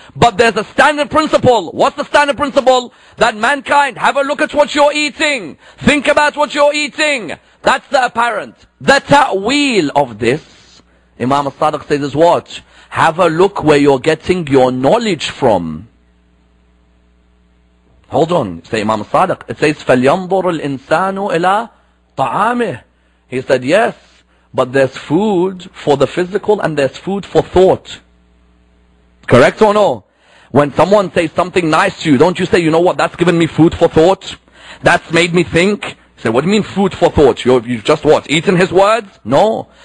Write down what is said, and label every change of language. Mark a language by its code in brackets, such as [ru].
[en] But there's a standard principle. What's the standard principle? That mankind, have a look at what you're eating. Think about what you're eating. That's the apparent. The ta'wil of this, Imam al-Sadiq says, is what? Have a look where you're getting your knowledge from. Hold on, say Imam al-Sadiq. It says, [ar] فَلْيَنْظُرُ الْإِنسَانُ إِلَىٰ طَعَامِهِ. [en] He said, yes, but there's food for the physical and there's food for thought. Correct or no? When someone says something nice to you, don't you say, you know what, that's given me food for thought? That's made me think? Say, what do you mean food for thought? You've just what, eaten his words? No.